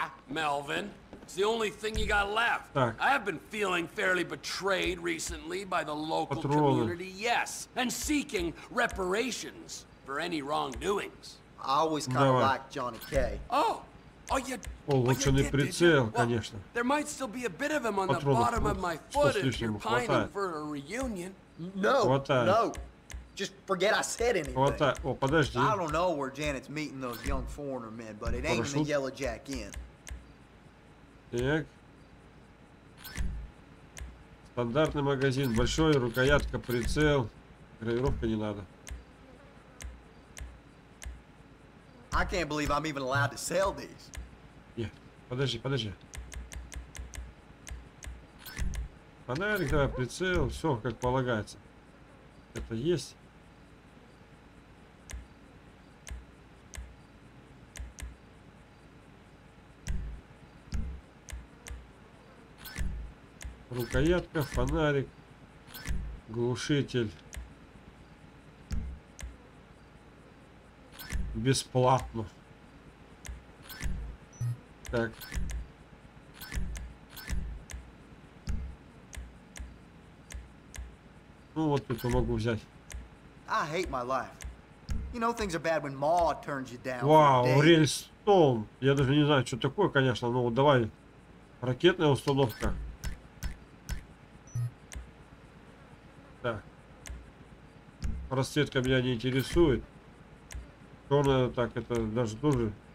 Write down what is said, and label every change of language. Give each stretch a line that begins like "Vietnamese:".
English: Мелвин, it's the only thing you got left.
Russian: Так.
English: I've been feeling fairly betrayed recently by the local community, yes, and seeking reparations for any wrongdoings. I always kind of like Johnny K. Oh,
Russian: улучшенный прицел, конечно.
English: There might still be a bit of him on the bottom of my foot if you're pining for a reunion. No, no. Just forget I said anything.
Russian: О, подожди.
English: I don't know where Janet's meeting those young foreigner men, but it ain't in the Yellow Jack Inn.
Russian: Так. Стандартный магазин, большой, рукоятка, прицел. Гравировка не надо.
English: I can't believe I'm even allowed to sell these.
Russian: Нет, подожди, подожди. Фонарик, давай, прицел, все как полагается. Это есть. Рукоятка, фонарик, глушитель. Бесплатно. Так. Ну вот тут я могу взять.
English: I hate my life. You know things are bad when Ma turns you down.
Russian: Вау, рельстон. Я даже не знаю, что такое, конечно. Ну вот давай. Ракетная установка. Так. Расцветка меня не интересует. Черная, так, это даже тоже.